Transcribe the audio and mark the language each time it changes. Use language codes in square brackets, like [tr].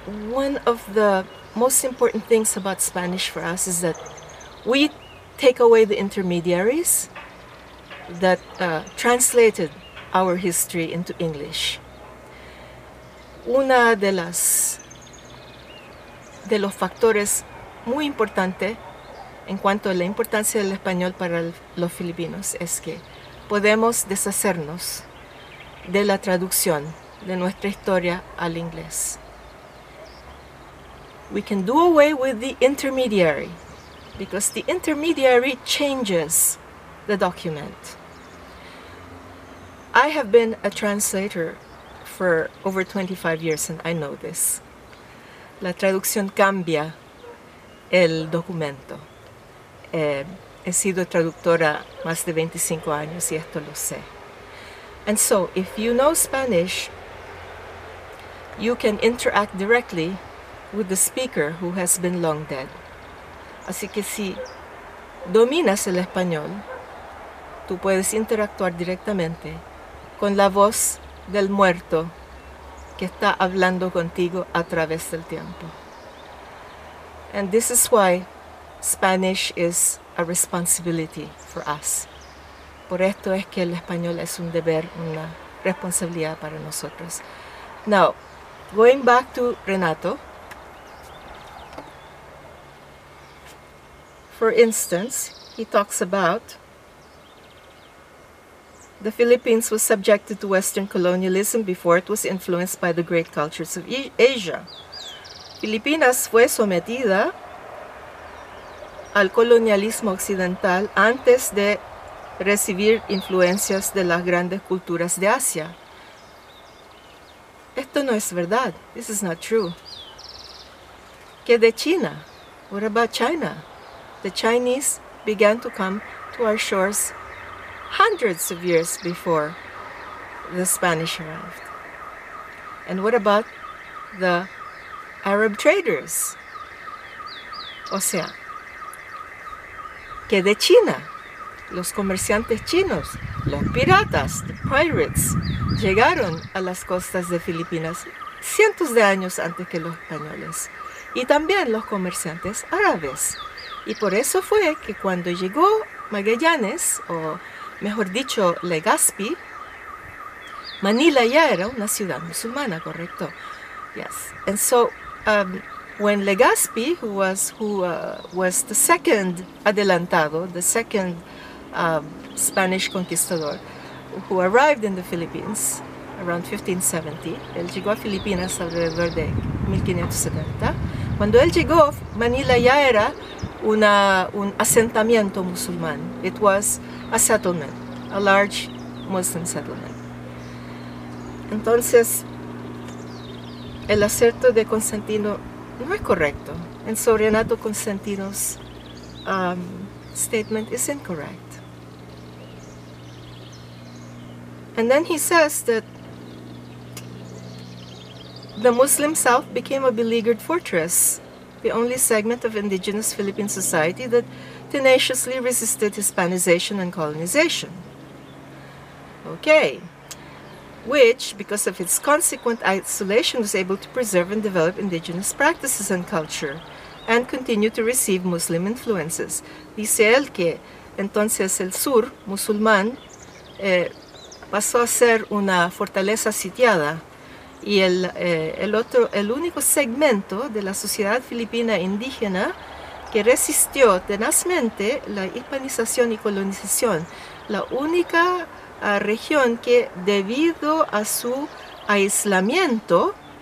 [en] One of the most important things about Spanish for us is that we take away the intermediaries that translated our history into English. [es] Una de las de los factores muy importante en cuanto a la importancia del español para los filipinos es que podemos deshacernos de la traducción de nuestra historia al inglés. [en] We can do away with the intermediary because the intermediary changes the document. I have been a translator for over 25 years and I know this. [es] La traducción cambia el documento. He sido traductora más de 25 años y esto lo sé. [en] And so, if you know Spanish, you can interact directly with the speaker who has been long dead. [es] Así que si dominas el español, tú puedes interactuar directamente con la voz del muerto que está hablando contigo a través del tiempo. [en] And this is why Spanish is a responsibility for us. [es] Por esto es que el español es un deber, una responsabilidad para nosotros. [en] Now, going back to Renato. For instance, he talks about the Philippines was subjected to Western colonialism before it was influenced by the great cultures of Asia. [es] Filipinas fue sometida al colonialismo occidental antes de recibir influencias de las grandes culturas de Asia. Esto no es verdad. [en] This is not true. [es] ¿Qué de China? [en] What about China? The Chinese began to come to our shores hundreds of years before the Spanish arrived. And what about the Arab traders? [es] O sea, ¿qué de China? Los comerciantes chinos, los piratas, [en] the pirates, [es] llegaron a las costas de Filipinas cientos de años antes que los españoles. Y también los comerciantes árabes. Y por eso fue que cuando llegó Magallanes, o mejor dicho, Legazpi, Manila ya era una ciudad musulmana, ¿correcto? [en] Yes. And so, when Legazpi, who was the second adelantado, the second Spanish conquistador who arrived in the Philippines around 1570. [es] Él llegó a Filipinas alrededor de 1570. Cuando él llegó, Manila ya era un asentamiento musulmán. [en] It was a settlement, a large Muslim settlement. [es] Entonces, el acerto de Constantino no es correcto. [en] And so Renato Constantino's statement is incorrect. And then he says that the Muslim South became a beleaguered fortress, the only segment of indigenous Philippine society that tenaciously resisted Hispanization and colonization. Okay. Which, because of its consequent isolation, was able to preserve and develop indigenous practices and culture and continue to receive Muslim influences. [es] Dice él que entonces el sur musulmán pasó a ser una fortaleza sitiada y el único segmento de la sociedad filipina indígena que resistió tenazmente la hispanización y colonización, la única región que debido a su aislamiento